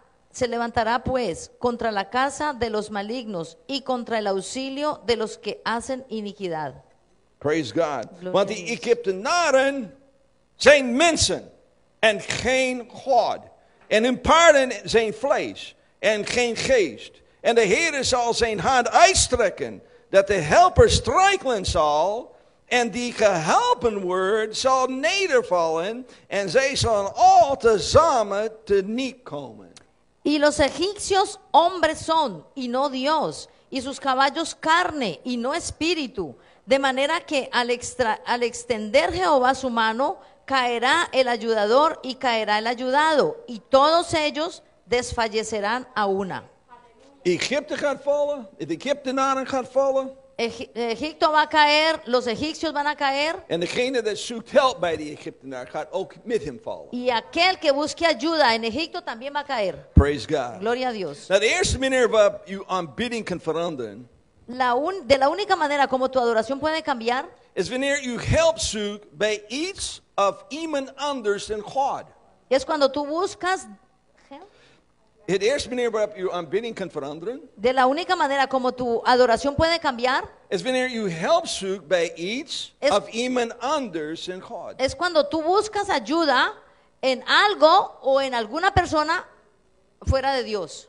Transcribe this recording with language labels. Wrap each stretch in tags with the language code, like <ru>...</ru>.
<es>Se levantará pues contra la casa de los malignos y contra el auxilio de los que hacen iniquidad.</es> <en>Praise God.</en> <nl>Want die Egyptenaren zijn mensen en geen God. En hun paarden zijn vlees en geen geest. En de Heer zal zijn hand uitstrekken dat de helper strijkelen zal. En die geholpen word zal nedervallen en zij zullen al tezamen te niet komen.</nl> <es>Y los egipcios hombres son, y no Dios, y sus caballos carne, y no espíritu. De manera que al extender Jehová su mano, caerá el ayudador y caerá el ayudado, y todos ellos desfallecerán a una.</es> <nl>Egipto gaat vallen, de Egyptenaren gaat vallen.</nl> <es>Egipto va a caer, los egipcios van a caer.</es> <nl>En degene die zoekt help bij de Egyptenaar gaat ook met hem vallen.</nl> <es>Y aquel que busque ayuda en Egipto también va a caer.</es> <en>Praise God.</en> <es>Gloria a Dios.</es> <en>Now, the</en> <nl>eerste manier waarop je aanbidding kan veranderen.</nl> <es>De la única manera como tu adoración puede cambiar.</es> <nl>Is wanneer je help zoekt bij iets of iemand anders dan God.</nl> <es>Es cuando tú buscas.</es> <nl>Het eerste manier waarop je aanbidding kan veranderen.</nl> <es>De la única manera como tu adoración puede cambiar.</es> <nl>Is wanneer je help zoekt bij iets of iemand anders in God.</nl> <es>Es cuando tú buscas ayuda en algo o en alguna persona fuera de Dios.</es>